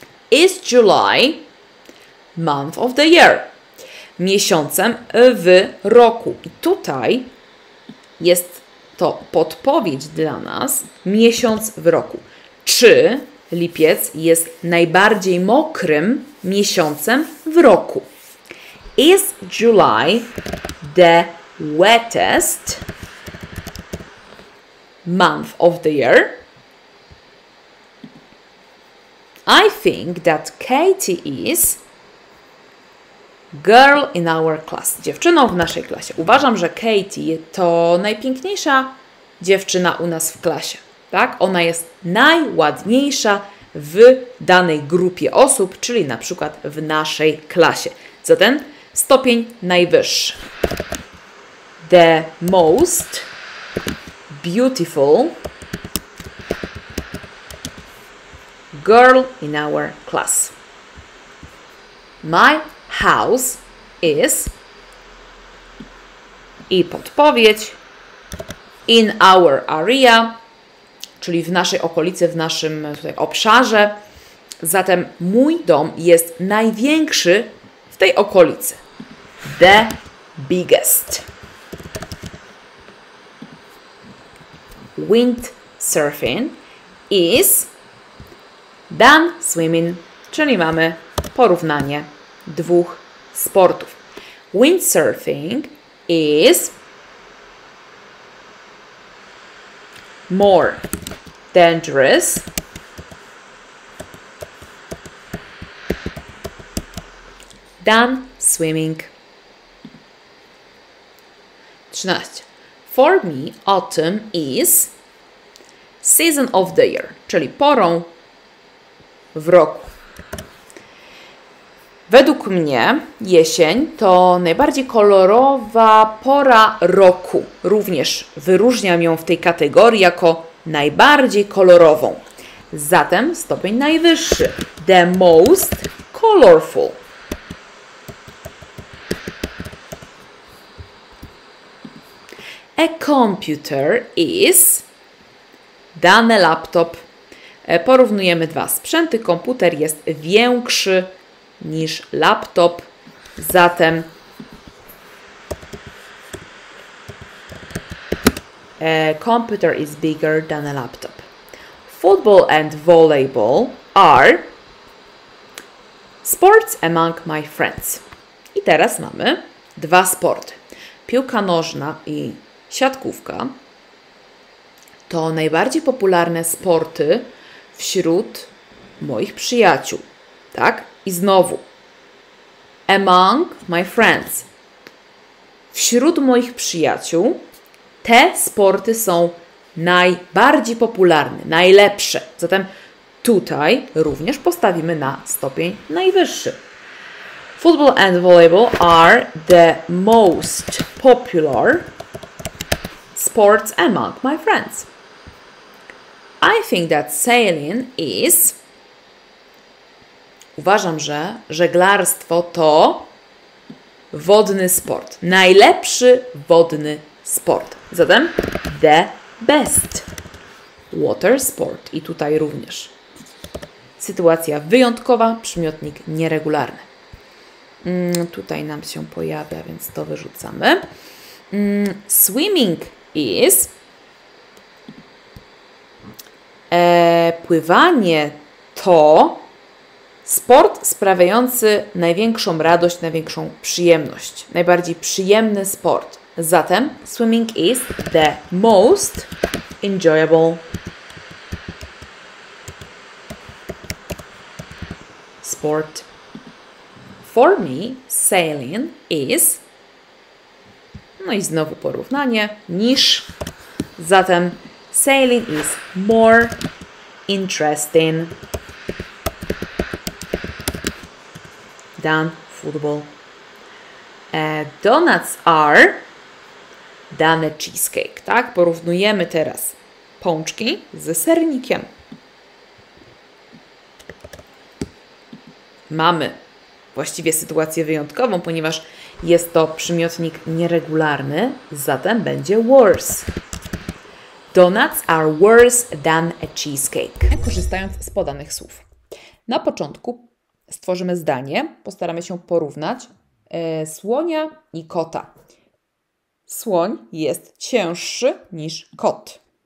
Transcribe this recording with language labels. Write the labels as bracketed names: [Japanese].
[English] Is July month of the year? [Polish] Miesiącem w roku. I tutaj jest to podpowiedź dla nas. Miesiąc w roku. Czy lipiec jest najbardziej mokrym miesiącem w roku? [English] Is July the wettest month of the year? I think that Katie is girl in our class. [Polish] Dziewczyną w naszej klasie. Uważam, że Katie to najpiękniejsza dziewczyna u nas w klasie. Tak? Ona jest najładniejsza w danej grupie osób, czyli na przykład w naszej klasie. Zatem stopień najwyższy. [English] The most beautiful girl in our class. My house is [Polish] i podpowiedź [English] in our area, [Polish] czyli w naszej okolicy, w naszym tutaj obszarze. Zatem mój dom jest największy w tej okolicy. [English] The biggest. Windsurfing is done swimming, [Polish] czyli mamy porównanie dwóch sportów. [English] Windsurfing is more dangerous than swimming. 13. For me, autumn is season of the year, [Polish] czyli porą w roku. Według mnie jesień to najbardziej kolorowa pora roku. Również wyróżniam ją w tej kategorii jako najbardziej kolorową. Zatem stopień najwyższy. [English] The most colorful. A computer is... [Polish] Dany laptop. Porównujemy dwa sprzęty. Komputer jest większy niż laptop. Zatem [English] a computer is bigger than a laptop. Football and volleyball are sports among my friends. [Polish] I teraz mamy dwa sporty. Piłka nożna i siatkówka to najbardziej popularne sporty wśród moich przyjaciół. Tak? I znowu [English] among my friends. [Polish] Wśród moich przyjaciół te sporty są najbardziej popularne, najlepsze. Zatem tutaj również postawimy na stopień najwyższy. [English] Football and volleyball are the most popular sports among my friends. I think that sailing is... [Polish] Uważam, że żeglarstwo to wodny sport. Najlepszy wodny sport. Zatem [English] the best water sport. [Polish] I tutaj również sytuacja wyjątkowa, przymiotnik nieregularny. Tutaj nam się pojawia, więc to wyrzucamy. [English] Swimming is... [Polish] pływanie to sport sprawiający największą radość, największą przyjemność. Najbardziej przyjemny sport. Zatem [English] swimming is the most enjoyable sport. For me, sailing is... [Polish] No i znowu porównanie, niż. Zatem [English] sailing is more interesting than football. Donuts are [Polish] dane [English] cheesecake, [Polish] tak? Porównujemy teraz pączki ze sernikiem. Mamy właściwie sytuację wyjątkową, ponieważ jest to przymiotnik nieregularny, zatem będzie worse. [English] Donuts are worse than a cheesecake. [Polish] Korzystając z podanych słów. Na początku stworzymy zdanie, postaramy się porównać słonia i kota. Słoń jest cięższy niż kot.